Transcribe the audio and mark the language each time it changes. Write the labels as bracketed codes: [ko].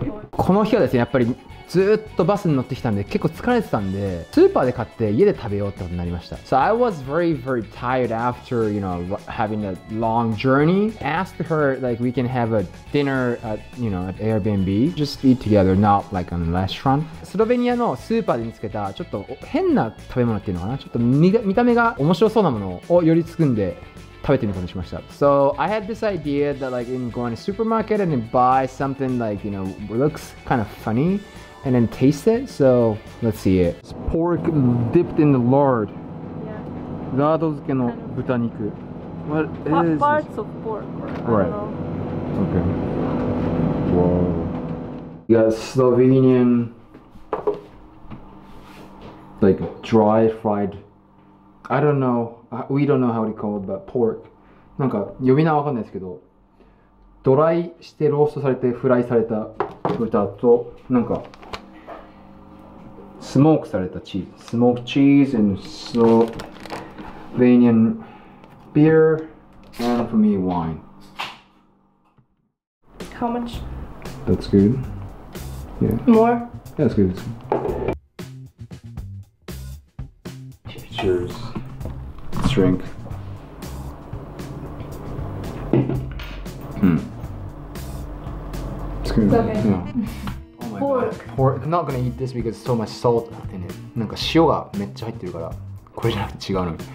[ja] この日はですね、やっぱりずっとバスに乗ってきたんで結構疲れてたんで、スーパーで買って家で食べようってことになりました。 [en] So I was very very tired after you know having a long journey. Asked her like we can have a dinner at you know at Airbnb, just eat together, not like on a restaurant. [ja] スロベニアのスーパーで見つけたちょっと変な食べ物っていうのかな、ちょっと見た目が面白そうなものをよりつくんで。 [en] So I had this idea that like in going to supermarket and buy something like you know looks kind of funny and then taste it. So let's see it. It's pork dipped in the lard. Yeah. [ja] ラード漬けの豚肉. [en] What is it? What parts of pork? Right. I don't know. Okay. Whoa. You got Slovenian like dry fried. I don't know. We don't know how it's called, but pork. [ja] なんか呼び名わかんないですけど、ドライしてローストされてフライされた豚と、なんか、スモークされたチーズ。 [en] スモークチーズ and Slovenian beer and for me wine. How much? That's good. Yeah. More? Yeah, that's good. That's good. Cheers. Drink. It's good. It's okay. Yeah. Oh my pork. God. Pork. I'm not gonna eat this because so much salt in it. [ja] なんか塩がめっちゃ入ってるから、これじゃなくて違うの。